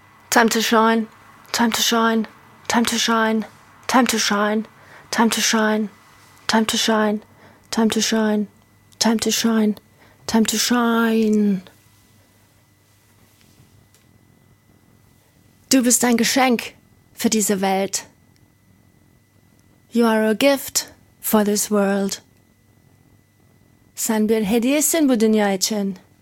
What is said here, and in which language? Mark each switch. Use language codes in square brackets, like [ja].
[en] Time to shine, time to shine, time to shine, time to shine, time to shine, time to shine, time to shine, time to shine, time to shine. [de] Du bist ein Geschenk für diese Welt. [en] You are a gift for this world. [tr] Sen bir hediyesin bu dünya için.